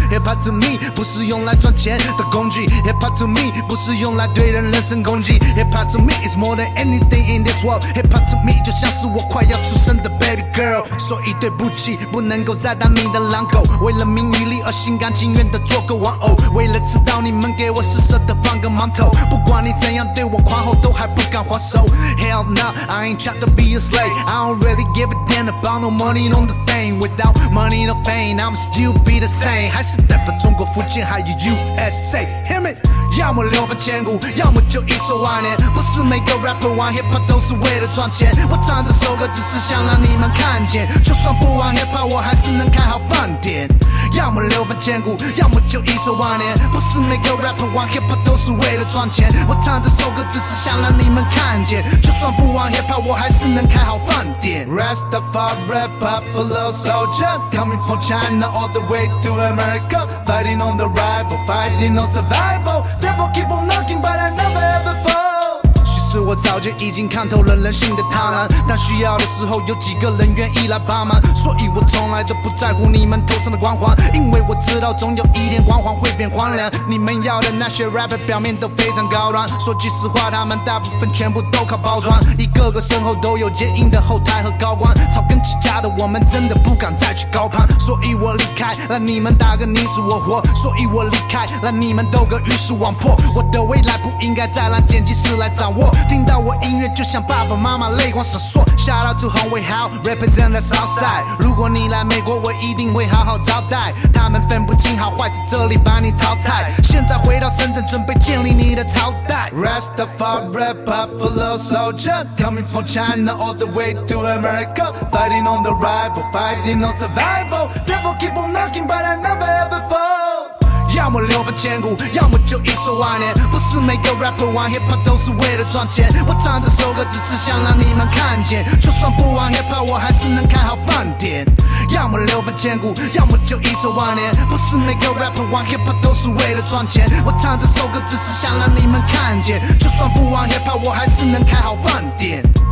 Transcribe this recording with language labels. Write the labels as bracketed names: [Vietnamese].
[English] Hip hop to me [Chinese] 不是用来赚钱的工具， [English] Hip hop to me 不是用来对人人身攻击， Hip hop to me is more than anything in this world， [Chinese] Hip hop to me 就像是我快要出生的 baby girl， 所以对不起不能够再当你的狼狗，为了名与利而心甘情愿的做个玩偶，为了吃到你们给我施舍的半个馒头，不管你怎样对我夸口都还不敢还手。 [English] Hell no, I ain't trying to be a slave. I don't really give a damn about no money, no the fame. Without money, no fame, I'm still be the same. [Chinese] 还是代表中国福建还有 USA. [English] Hear me? [Chinese] 要么流放千古，要么就一走万年。不是每个 rapper 玩 hip hop 都是为了赚钱，我唱这首歌只是想让你们看见，就算不玩 hip hop 我还是能开好饭店。要么流放千古，要么就一走万年。不是每个 rapper 玩 hip hop 都是为了赚钱，我唱这首歌只是想让你们看见，就算不玩 hip hop 我还是能开好饭店。 [English] Rastafari rapper Buffalo soldier coming from China all the way to America, fighting on the rival, fighting on survival. Devil keep on knocking but I never ever fall. [Chinese] 我早就已经看透了人性的贪婪，但需要的时候有几个人愿意来帮忙，所以我从来都不在乎你们头上的光环，因为我知道总有一天光环会变黄亮。你们要的那些 rapper 表面都非常高端，说句实话他们大部分全部都靠包装，一个个身后都有接应的后台和高官，草根起家的我们真的不敢再去高攀，所以我离开让你们打个你死我活，所以我离开让你们斗个鱼死网破，我的未来不应该再让剪辑师来掌握，听到我音乐就像爸爸妈妈泪光闪烁。 [English] Shout out to Hong Wei Hao Represent the Southside， [Chinese] 如果你来美国我一定会好好招待，他们分不清好坏在这里把你淘汰，现在回到深圳准备建立你的朝代。 [English] Rastafari rap Buffalo soldier coming from China all the way to America, fighting on the rival, fighting on survival. Devil keep on knocking but I never ever fall. [Chinese] 要么流放千古，要么就一走万年。不是每个 rapper 玩 hip hop 都是为了赚钱，我唱这首歌只是想让你们看见，就算不玩 hip hop 我还是能开好饭店。要么流放千古，要么就一走万年。不是每个 rapper 玩 hip hop 都是为了赚钱，我唱这首歌只是想让你们看见，就算不玩 hip hop 我还是能开好饭店。